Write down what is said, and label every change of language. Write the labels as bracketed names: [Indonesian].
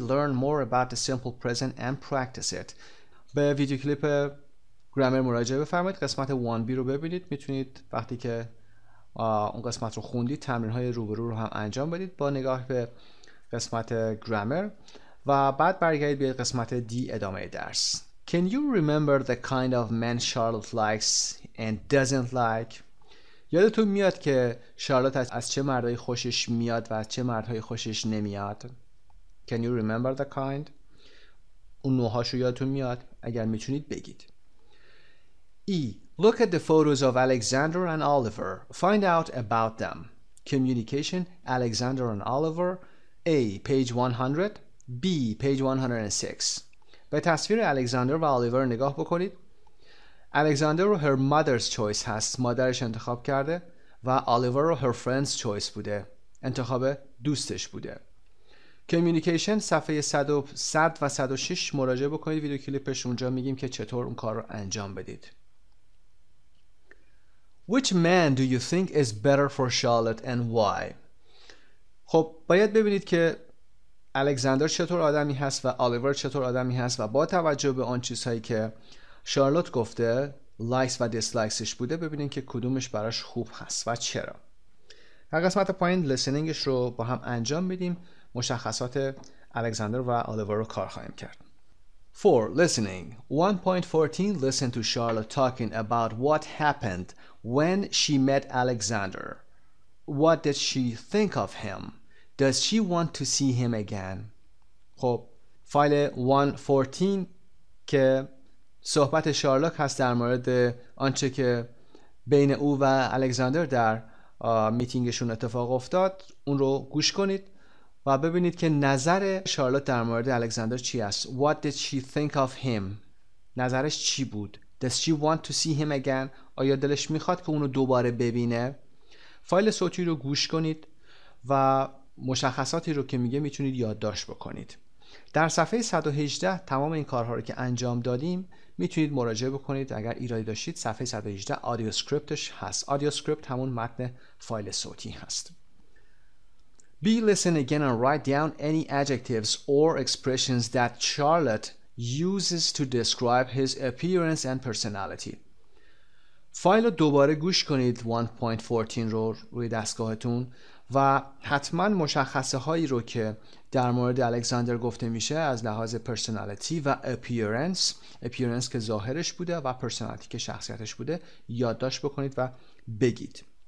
[English] Learn more about the simple present and practice it. [Persian] به ویدیو کلیپ گرامر مراجعه بفرمایید. قسمت 1B رو ببینید. میتونید وقتی که اون قسمت رو خوندید تمرین های روبرو رو هم انجام بدید با نگاه به قسمت گرامر و بعد برگردید به قسمت D ادامه درس. [English] Can you remember the kind of men Charlotte likes and doesn't like? [Persian] یادتون میاد که شارلوت از چه مردهای خوشش میاد و از چه مردهای خوشش نمیاد؟ [English] Can you remember the kind? [Persian] اون نوهاشو یادتون میاد؟ اگر میتونید بگید. [English] E. Look at the photos of Alexander and Oliver. Find out about them. Communication, Alexander and Oliver. A. Page 100. B. Page 106. [Persian] به تصویر الکساندر و الیور نگاه بکنید. الکساندر رو [English] her mother's choice [Persian] هست، مادرش انتخاب کرده و الیور رو [English] her friend's choice [Persian] بوده، انتخاب دوستش بوده. کمیونیکیشن صفحه 100 و 106 مراجعه بکنید، ویدیو کلیپش اونجا میگیم که چطور اون کار رو انجام بدید. [English] Which man do you think is better for Charlotte and why? [Persian] خب باید ببینید که الکساندر چطور آدمی هست و الیور چطور آدمی هست و با توجه به آن چیزهایی که شارلوت گفته لایکس و دیسلایکسش بوده ببینین که کدومش براش خوب هست و چرا. در قسمت پایین لسنینگش رو با هم انجام میدیم، مشخصات الکساندر و الیور رو کار خواهیم کرد. [English] 4. Listening 1.14. Listen to Charlotte talking about what happened when she met Alexander. What did she think of him? Does she want to see him again? [Persian] خب فایل 114 که صحبت شارلوک هست در مورد آنچه که بین او و الکساندر در میتینگشون اتفاق افتاد، اون رو گوش کنید و ببینید که نظر شارلوت در مورد الکساندر چی است. [English] What did she think of him؟ [Persian] نظرش چی بود؟ [English] Does she want to see him again؟ [Persian] آیا دلش میخواد که اونو دوباره ببینه؟ فایل صوتی رو گوش کنید و مشخصاتی رو که میگه میتونید یادداشت بکنید. در صفحه 118 تمام این کارها رو که انجام دادیم میتونید مراجعه بکنید. اگر ایرادی داشتید صفحه 118 آدیو سکریپتش هست. آدیو سکریپت همون متن فایل صوتی هست. [English] B, listen again and write down any adjectives or expressions that Charlotte uses to describe his appearance and personality. [Persian] فایل رو دوباره گوش کنید، 1.14 رو روی دستگاهتون، و حتما مشخصه هایی رو که در مورد الکساندر گفته میشه از لحاظ پرسنالیتی و اپیرنس که ظاهرش بوده و پرسنالیتی که شخصیتش بوده یادداشت بکنید و بگید.